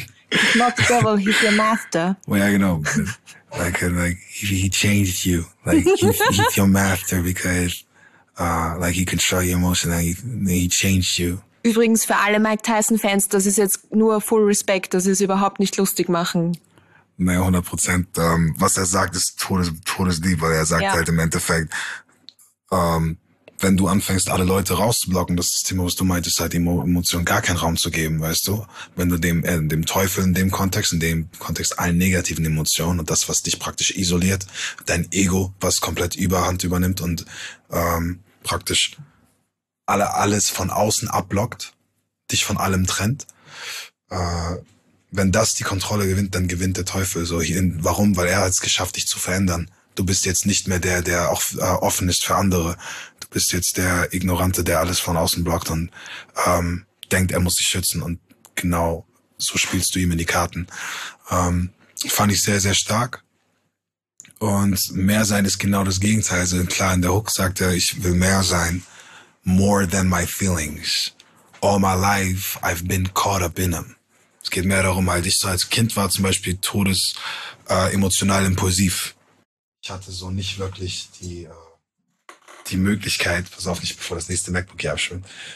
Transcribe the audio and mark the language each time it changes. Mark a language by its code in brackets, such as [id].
[en] It's not the devil, he's your master. Well, yeah, you know, he changed you. Like, he's your master because, like, he control your emotion and he changed you. [de] Übrigens, für alle Mike Tyson-Fans, das ist jetzt nur [en] full respect, [de] das ist überhaupt nicht lustig machen. Naja, 100%. Was er sagt, ist todeslieb, weil er sagt halt im Endeffekt, wenn du anfängst, alle Leute rauszublocken, das ist das Thema, was du meintest, halt die Emotion gar keinen Raum zu geben, weißt du? Wenn du dem Teufel in dem Kontext allen negativen Emotionen und das, was dich praktisch isoliert, dein Ego, was komplett Überhand übernimmt und praktisch alles von außen abblockt, dich von allem trennt, wenn das die Kontrolle gewinnt, dann gewinnt der Teufel. So, warum? Weil er hat es geschafft, dich zu verändern. Du bist jetzt nicht mehr der auch offen ist für andere. Du bist jetzt der Ignorante, der alles von außen blockt und denkt, er muss sich schützen. Und genau so spielst du ihm in die Karten. Fand ich sehr, sehr stark. Und mehr sein ist genau das Gegenteil. Also klar, in der Hook sagt er, ich will mehr sein. [en] More than my feelings. All my life I've been caught up in them. [de] Es geht mehr darum, halt, ich so als Kind war zum Beispiel todes emotional impulsiv. Ich hatte so nicht wirklich die Möglichkeit, pass auf, nicht bevor das nächste MacBook hier abschwimmt.